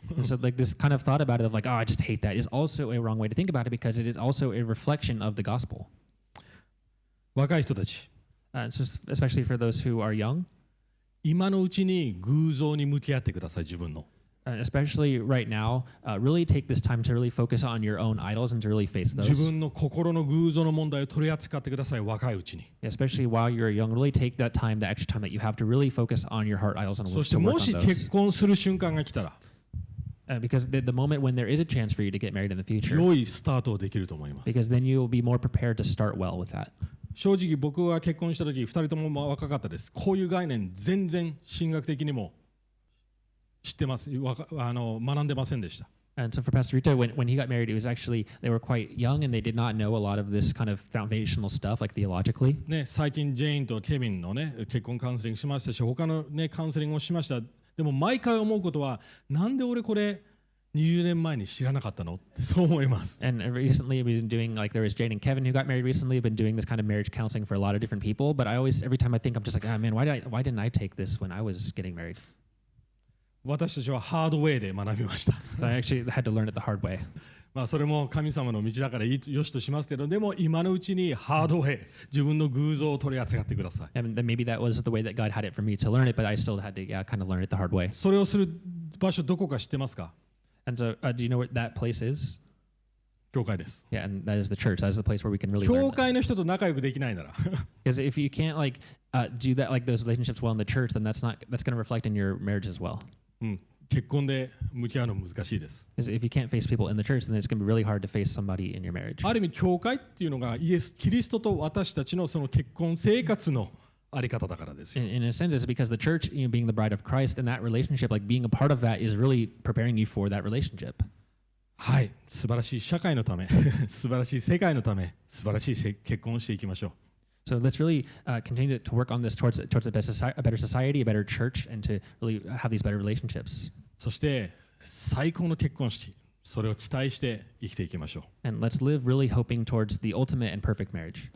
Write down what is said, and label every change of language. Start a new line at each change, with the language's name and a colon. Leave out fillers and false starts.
English: And so like this kind of thought about it of like, ah,、oh, I just hate that is also a wrong way to think about it because it is also a reflection of the gospel.
Japanese: 若い人たち。
English: So especially for those who are young,
Japanese: 今のうちに偶像に向き合ってください自分の。
English: Especially right now, really take this time to really focus on your own idols and to really face those.
Japanese: 自分の心の偶像の問題を取り扱ってください若いうちに。
English: Especially while you're young, really take that time, the extra time that you have to really focus on your heart idols and work on those.
Japanese: そしてもし結婚する瞬間が来たら。
English: Because the moment when there is a chance for you to get married in the future,
Japanese: 良いスタートをできると思います。
English: Because then you will be more prepared to start well with that.
Japanese: 正直僕が結婚した時2人とも若かったです。こういう概念全然神学的にも知ってます。学んでませんでした。
English: And so for Pastor Rito, when he got married, it was actually they were quite young and they did not know a lot of this kind of foundational stuff, like theologically.
Japanese: ね、最近ジェインとケビンのね、結婚カウンセリングしましたし、他のね、カウンセリングをしました。でも毎回思うことは、なんで俺これ20年前に知らなかったのってそう思います。
English: And recently we've been doing like there was Jane and Kevin who got married recently. We've been doing this kind of marriage counseling for a lot of different people. But I always every time I think I'm just like, ah man, why didn't I take this when I was getting married?
Japanese: 私たちはハードウェイで学びました。
English: So、I actually had to learn it the hard way.
Japanese: まあそれも神様の道だからよしとしますけど、でも今のうちにハードウェイ、自分の偶像を取り扱ってください。
English: And maybe that was the way that God had it for me to learn it, but I still had to yeah kind of learn it the hard way.
Japanese: それをする場所どこか知ってますか？
English: And so, do you know where that place is?
Japanese: 教会です。
English: Yeah, and that is the church. That is the place where we can really learn.
Japanese: 教会の人と仲良くできないなら。
English: Because if you can't like, do that, like those relationships well in the church, then that's going to reflect in your marriage as well. うん。
Japanese: 結婚で向き合うの難しいです。
English: Because if you can't face people in the church, then it's going to be really hard to face somebody in your marriage.
Japanese: ある意味、教会っていうのがイエス・キリストと私たちのその結婚生活のあり方だからですよ。
English: In a sense, it's because the church, you know, being the bride of Christ and that relationship, like being a part of that, is really preparing you for that relationship.
Japanese: はい、素晴らしい社会のため、素晴らしい世界のため、素晴らしい結婚をしていきましょう。
English: So let's really continue to work on this towards a better society, a better church, and to really have these better relationships.
Japanese: そして最高の結婚式、それを期待して生きていきましょう。
English: And let's live really hoping towards the ultimate and perfect marriage.